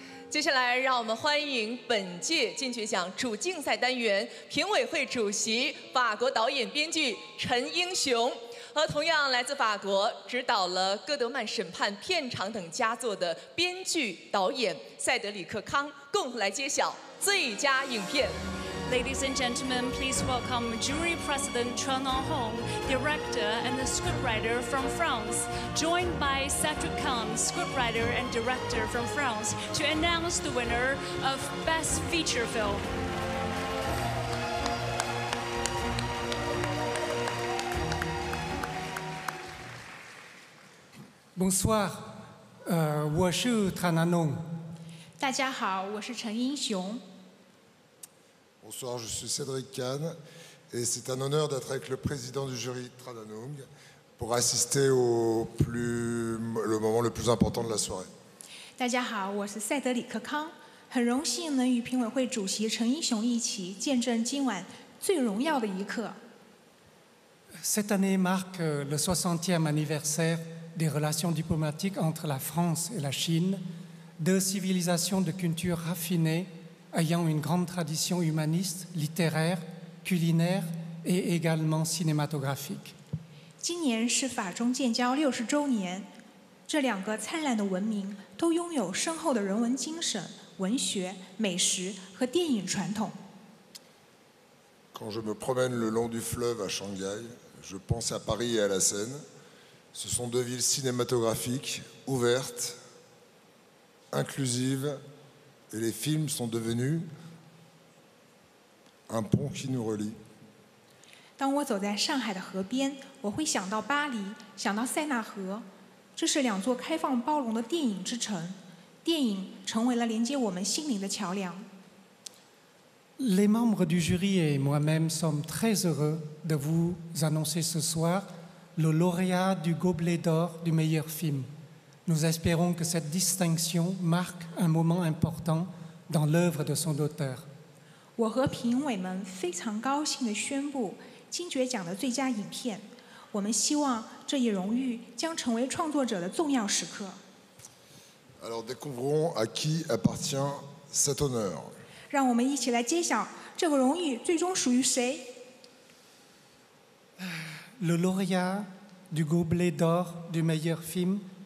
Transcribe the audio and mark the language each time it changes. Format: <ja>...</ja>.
<zh>接下来，让我们欢迎本届金爵奖主竞赛单元评委会主席、法国导演编剧陈英雄，和同样来自法国、执导了《戈德曼审判》《片场》等佳作的编剧导演塞德里克·康，共同来揭晓最佳影片。</zh> <en>Ladies and gentlemen, please welcome Jury President Chen Nonhong, Director and Scriptwriter from France, joined by Cedric Kang, Scriptwriter and Director from France, to announce the winner of Best Feature Film.</en> <fr>Bonsoir,</fr> <zh>我是 Chen Nonhong. 大家好，我是陈英雄。</zh> <fr>Bonsoir, je suis Cédric Kahn et c'est un honneur d'être avec le président du jury Tradanung pour assister au le moment le plus important de la soirée.</fr> <zh>大家好，我是塞德里克康，很荣幸能与评委会主席陈英雄一起见证今晚最荣耀的一刻。</zh> <fr>Cette année marque le 60e anniversaire des relations diplomatiques entre la France et la Chine, deux civilisations de culture raffinée. Ayant une grande tradition humaniste, littéraire, culinaire et également cinématographique.</fr> <zh>今年是法中建交60周年，这两个灿烂的文明都拥有深厚的人文精神、文学、美食和电影传统。</zh> <fr>Quand je me promène le long du fleuve à Shanghai, je pense à Paris et à la Seine. Ce sont deux villes cinématographiques ouvertes, inclusives. Et les films sont devenus un pont qui nous relie.</fr> <zh>当我走在上海的河边，我会想到巴黎，想到塞纳河。这是两座开放包容的电影之城，电影成为了连接我们心灵的桥梁。</zh> <fr>Les membres du jury et moi-même sommes très heureux de vous annoncer ce soir le lauréat du Gobelet d'or du meilleur film. Nous espérons que cette distinction marque un moment important dans l'œuvre de son auteur.</fr> <zh>我和评委们非常高兴地宣布金爵奖的最佳影片。我们希望这一荣誉将成为创作者的重要时刻。</zh> <fr>Alors découvrons à qui appartient cet honneur.</fr> <zh>让我们一起来揭晓这个荣誉最终属于谁。</zh> <fr>Le lauréat du Gobelet d'or du meilleur film.</fr>